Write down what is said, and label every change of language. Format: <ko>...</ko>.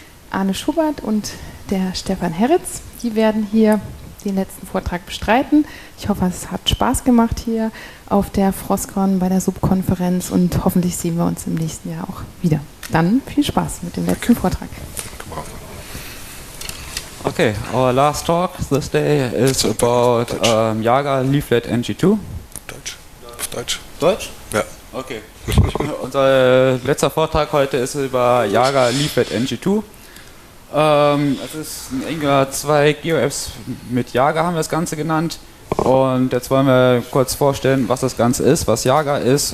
<de>Arne Schubert und der Stefan Herritz, die werden hier den letzten Vortrag bestreiten. Ich hoffe, es hat Spaß gemacht hier auf der Froscon bei der Subkonferenz und hoffentlich sehen wir uns im nächsten Jahr auch wieder. Dann viel Spaß mit dem letzten Vortrag.</de> <en>Okay, our last talk this day is about Jager Leaflet NG2.</en> <de>Deutsch. Deutsch. Deutsch? Ja. Okay. Unser letzter Vortrag heute ist über Jager Leaflet NG2. Es ist ein Angular 2 Geo-Apps mit Jager, haben wir das Ganze genannt. Und jetzt wollen wir kurz vorstellen, was das Ganze ist, was Jager ist.</de>